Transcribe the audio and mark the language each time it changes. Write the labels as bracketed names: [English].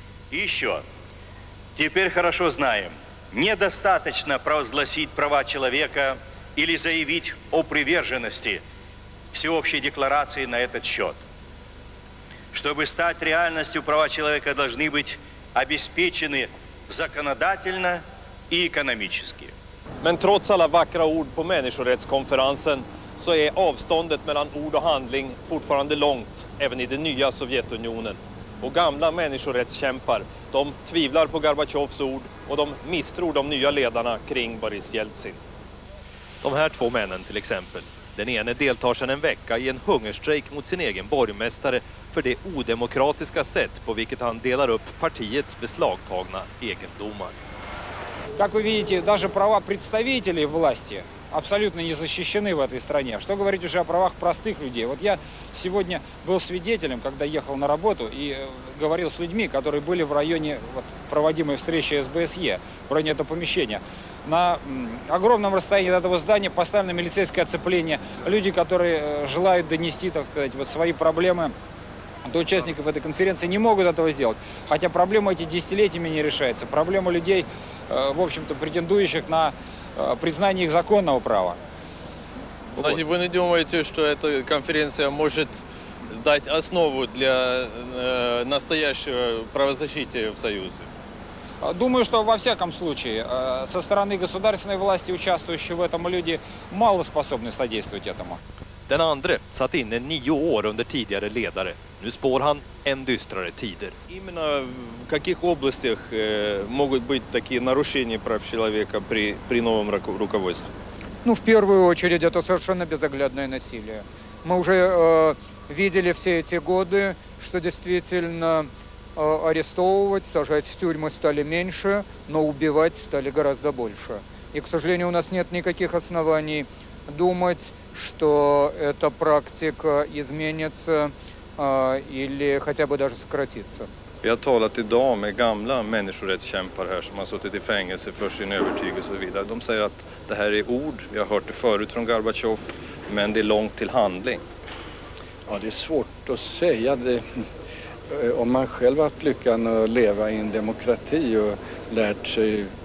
[Russian] И еще, теперь хорошо знаем, недостаточно провозгласить права человека или заявить о приверженности всеобщей декларации на этот счет. Чтобы стать реальностью, права человека должны быть обеспечены законодательно и экономически. [Swedish] Men trots alla vackra ord på människorättskonferensen så är avståndet mellan ord och handling fortfarande långt, även i den nya Sovjetunionen. Och gamla människorättskämpar, de tvivlar på Gorbatjovs ord och de misstror de nya ledarna kring Boris Jeltsin. De här två männen till exempel. Den ene deltar sedan en vecka i en hungerstrejk mot sin egen borgmästare för det odemokratiska sätt på vilket han delar upp partiets beslagtagna egendomar. [Russian] Как вы видите, даже права представителей власти абсолютно не защищены в этой стране. Что говорить уже о правах простых людей? Вот я сегодня был свидетелем, когда ехал на работу и говорил с людьми, которые были в районе вот, проводимой встречи СБСЕ, в районе этого помещения. На огромном расстоянии от этого здания поставлено милицейское оцепление. Люди, которые желают донести, так сказать, вот свои проблемы до участников этой конференции, не могут этого сделать. Хотя проблема эти десятилетиями не решается. Проблема людей, в общем-то, претендующих на признание их законного права. Кстати, вы не думаете, что эта конференция может дать основу для настоящего правозащиты в Союзе? Думаю, что во всяком случае, со стороны государственной власти, участвующие в этом люди, мало способны содействовать этому. [Swedish] Den andre satt inne 9 år under tidigare ledare. Nu spår han än dystrare tider. [Russian] Именно в каких областях могут быть такие нарушения прав человека при новом руководстве? Ну, в первую очередь, это совершенно безоглядное насилие. Мы уже видели все эти годы, что действительно арестовывать, сажать в тюрьмы стали меньше, но убивать стали гораздо больше. И, к сожалению, у нас нет никаких оснований думать, что эта практика изменится или хотя бы даже сократится. [Swedish] Jag har talat idag med gamla människorättskämpar här som har suttit i fängelse för sin övertygelse och så vidare. De säger att det här är ord, vi har hört det förut från Gorbatjov, men det är långt till handling. Ja, det är svårt att säga det. Om man själv har haft lyckan att leva i en demokrati och lärt sig